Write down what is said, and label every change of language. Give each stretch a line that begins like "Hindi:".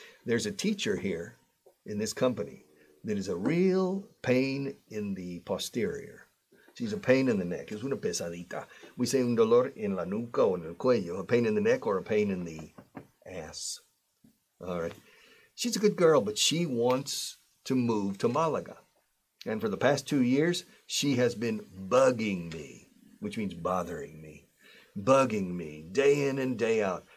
English: There's a teacher here in this company that is a real pain in the posterior. She's a pain in the neck.
Spanish: Es una pesadita.
English: We say
Spanish: un dolor en la nuca o en el cuello.
English: A pain in the neck or a pain in the ass. All right. She's a good girl, but she wants to move to Malaga. And for the past 2 years, she has been bugging me, which means bothering me, bugging me day in and day out.